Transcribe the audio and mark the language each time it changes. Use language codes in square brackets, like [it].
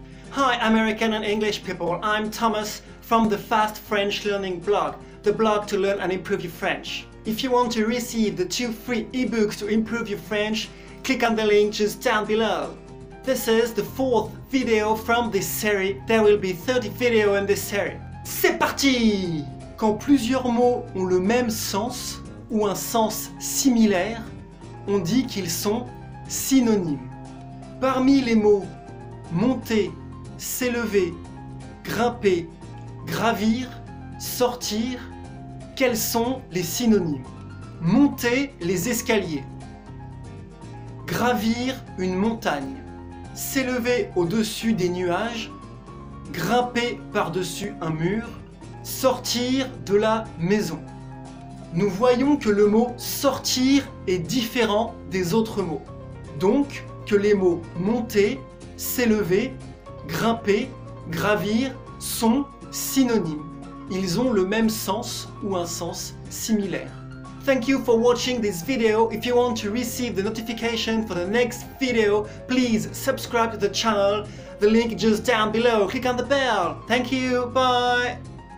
[en] Hi, American and English people, I'm Thomas from the Fast French Learning blog, the blog to learn and improve your French. If you want to receive the 2 free ebooks to improve your French, click on the link just down below. This is the 4th video from this series. There will be 30 videos in this series. [fr] C'est parti! Quand plusieurs mots ont le même sens ou un sens similaire, on dit qu'ils sont synonymes. Parmi les mots monter, s'élever, grimper, gravir, sortir, quels sont les synonymes? Monter les escaliers. Gravir une montagne. S'élever au-dessus des nuages. Grimper par-dessus un mur. Sortir de la maison. Nous voyons que le mot sortir est différent des autres mots. Donc, que les mots monter, s'élever, grimper, gravir sont synonymes. Ils ont le même sens ou un sens similaire. [en] Thank you for watching this video. If you want to receive the notification for the next video, please subscribe to the channel. The link is just down below. Click on the bell. Thank you. Bye.